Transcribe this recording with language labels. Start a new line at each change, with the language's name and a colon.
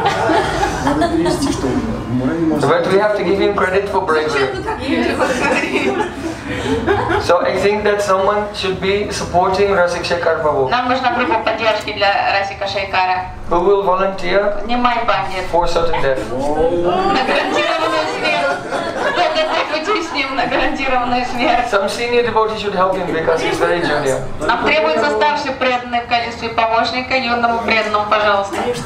English: But we have to give him credit for bravery. So I think that someone should be supporting Rasika Shekhar Babu.
Russian: Нам нужна группа поддержки для Расика Шекхара.
English: Who will volunteer?
Russian: Поднимай бандит.
English: For certain death.
Russian: На гарантированную смерть. Кто готовится с ним на гарантированную смерть?
English: Some senior devotee should help him because he's very junior.
Russian: Нам требуется старший преданный в качестве помощника юному преданному, пожалуйста.